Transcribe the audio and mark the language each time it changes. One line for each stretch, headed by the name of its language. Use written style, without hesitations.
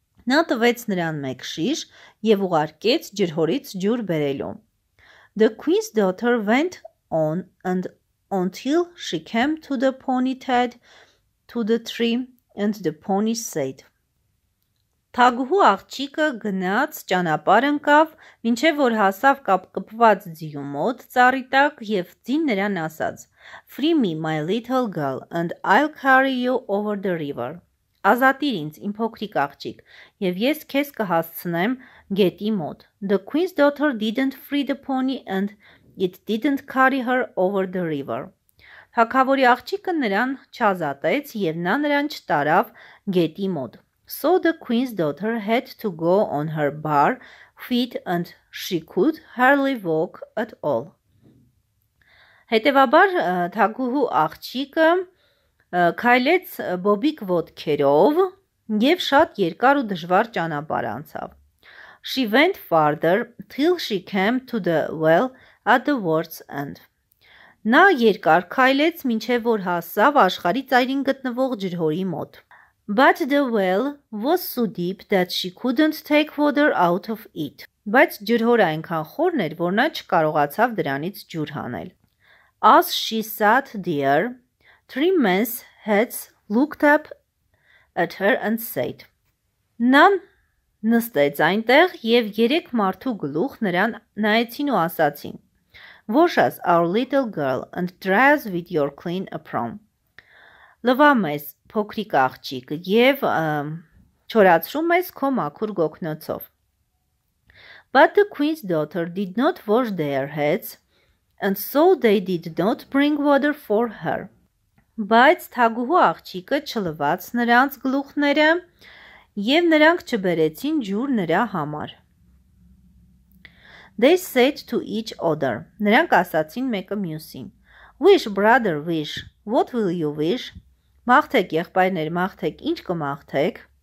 Armenian: Նա տվեց նրան մեկ շիշ և ուղարկեց ջրհորից ջուր բերելու.
English: The queen's daughter went on and until she came to the pony tied to the tree and the pony said.
Armenian: Թագուհու աղջիկը գնաց ճանապարհ ընկավ, մինչև որ հասավ կապկպված ձիու մոտ ծառի տակ և ձին նրան ասաց.
English: Free me, my little girl, and I'll carry you over the river.
Armenian: Ազատիր ինձ, իմ փոքրիկ աղջիկ, և ես քեզ կհասցնեմ գետի մոտ.
English: The queen's daughter didn't free the pony and it didn't carry her over the river.
Armenian: Թագավորի աղջիկը նրան չազատեց և նա նրան չտարավ գետի մոտ.
English: So the queen's daughter had to go on her bare feet and she could hardly walk at all.
Armenian: Հետևաբար թագուհու աղջիկը քայլեց բոբիկ ոտքերով և շատ երկար ու դժվար ճանապարհ անցավ.
English: She went farther till she came to the well at the world's end.
Armenian: Նա երկար քայլեց, մինչև որ հասավ աշխարհի ծայրին գտնվող ջրհորի մոտ.
English: But the well was so deep that she couldn't take water out of it.
Armenian: Բայց ջրհորը այնքան խորն էր, որ նա չկարողացավ դրանից ջուր հանել.
English: As she sat there, three men's heads looked up at her and said.
Armenian: Նա նստեց այնտեղ և երեք մարդու գլուխ նրան նայեցին ու ասացին.
English: Wash us, our little girl, and dry us with your clean apron.
Armenian: Լվամ ես, փոքրիկ աղջիկ, և չորացրում ես քո մաքուր գոգնոցով.
English: But the queen's daughter did not wash their heads, and so they did not bring water for her.
Armenian: Բայց թագուհու աղջիկը չլվաց նրանց գլուխները, և նրանք չբերեցին ջուր նրա համար.
English: They said to each other,
Armenian: նրանք ասացին մեկը մյուսին.
English: Wish, brother, wish, what will you wish?
Armenian: Մաղթեք, եղբայրներ, մաղթեք, ինչ կմաղթեք?